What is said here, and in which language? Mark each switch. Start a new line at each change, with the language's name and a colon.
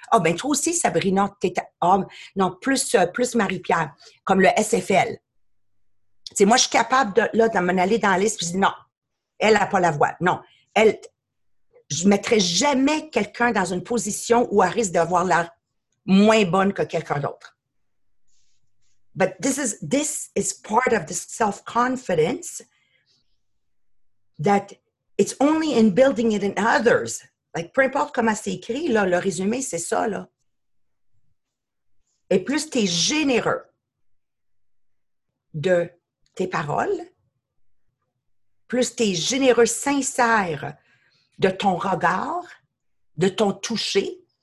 French: Ah, oh, ben toi aussi, Sabrina, t'es homme. Oh, non, plus Marie-Pierre, comme le SFL. T'sais, moi, je suis capable de, là, de m'en aller dans la liste et de dire non, elle n'a pas la voix. Non, elle, je ne mettrai jamais quelqu'un dans une position où elle risque d'avoir l'air moins bonne que quelqu'un d'autre.
English: But this is part of the self-confidence that it's only in building it in others.
French: Like, peu importe comment c'est écrit, là, le résumé, c'est ça, là. Et plus tu es généreux de tes paroles, plus tu es généreux, sincère de ton regard, de ton toucher.